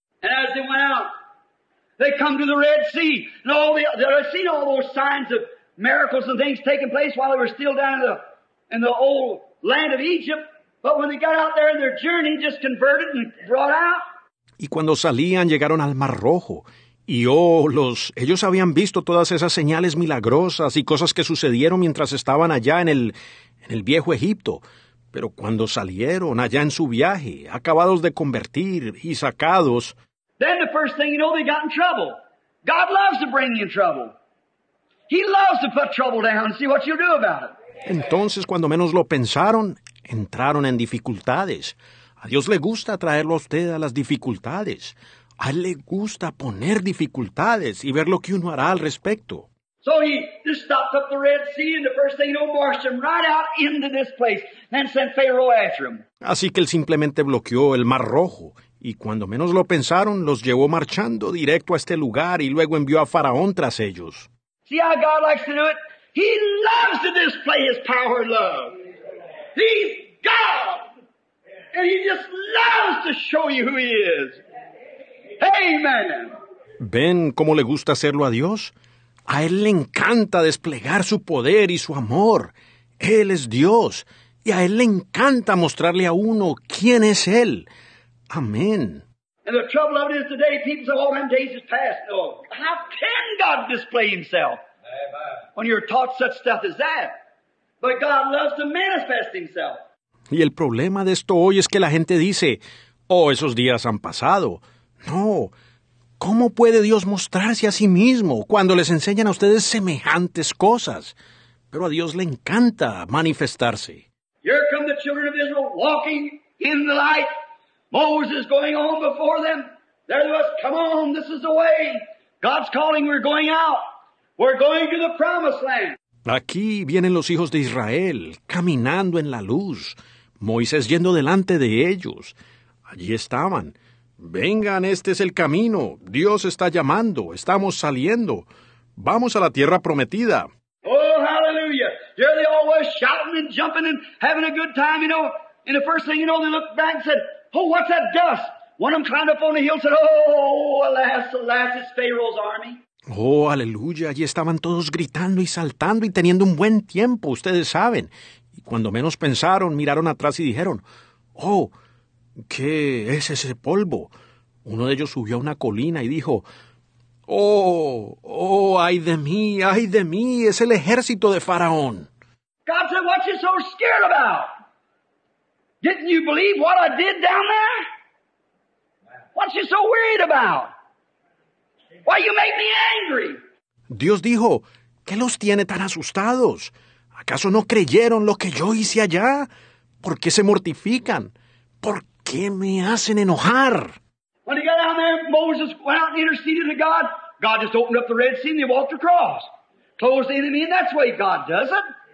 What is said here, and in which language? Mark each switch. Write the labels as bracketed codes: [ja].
[en] And as they went out, they come to the Red Sea. And all the, they had seen all those signs of miracles and things taking place while they were still down in the old land of Egypt. But when they got out there in their journey, just converted and brought out. [es] Y cuando salían, llegaron al Mar Rojo. Y oh, los, ellos habían visto todas esas señales milagrosas y cosas que sucedieron mientras estaban allá en el viejo Egipto. Pero cuando salieron allá en su viaje, acabados de convertir y sacados. [en] Then the first thing you know, they got in trouble. God loves to bring you in trouble. He loves to put trouble down and see what you'll do about it. [es] Entonces, cuando menos lo pensaron, entraron en dificultades. A Dios le gusta traerlo a usted a las dificultades. A él le gusta poner dificultades y ver lo que uno hará al respecto. [en] So he just stopped up the Red Sea, and the first thing you know, marched him right out into this place, and sent Pharaoh after him. [es] Así que él simplemente bloqueó el Mar Rojo, y cuando menos lo pensaron, los llevó marchando directo a este lugar, y luego envió a Faraón tras ellos. [en] See how God likes to do it? He loves to display his power and love. He's God, and he just loves to show you who he is. Amen. [es] ¿Ven cómo le gusta hacerlo a Dios? A él le encanta desplegar su poder y su amor. Él es Dios, y a él le encanta mostrarle a uno quién es él. Amén. [en] And the trouble of it is today, people say, "Oh, them days is past." No, how can God display Himself? Amen. When you're taught such stuff as that, but God loves to manifest Himself. [es] Y el problema de esto hoy es que la gente dice, "Oh, esos días han pasado." No. ¿Cómo puede Dios mostrarse a sí mismo cuando les enseñan a ustedes semejantes cosas? Pero a Dios le encanta manifestarse. [en] Here come the children of Israel walking in the light. Moses going on before them. There they was, come on, this is the way. God's calling, we're going out. We're going to the promised land. [es] Aquí vienen los hijos de Israel, caminando en la luz. Moisés yendo delante de ellos. Allí estaban. Vengan, este es el camino. Dios está llamando. Estamos saliendo. Vamos a la tierra prometida. [en] Oh, hallelujah. There they all were shouting and jumping and having a good time, you know. And the first thing you know, they looked back and said, oh, what's that dust? One of them climbed up on the hill and said, oh, alas, alas, it's Pharaoh's army. [es] Oh, aleluya. Allí estaban todos gritando y saltando y teniendo un buen tiempo, ustedes saben. Y cuando menos pensaron, miraron atrás y dijeron, oh, ¿qué es ese polvo? Uno de ellos subió a una colina y dijo, oh, ay de mí, es el ejército de Faraón. [en] God said, what you so scared about? Didn't you believe what I did down there? What you so worried about? Why you make me angry? [es] Dios dijo, ¿qué los tiene tan asustados? ¿Acaso no creyeron lo que yo hice allá? ¿Por qué se mortifican? ¿Por qué me hacen enojar? [en] When he got down there, Moses went out and interceded to God. God just opened up the Red Sea and they walked across. Closed the enemy, and that's the way God does it.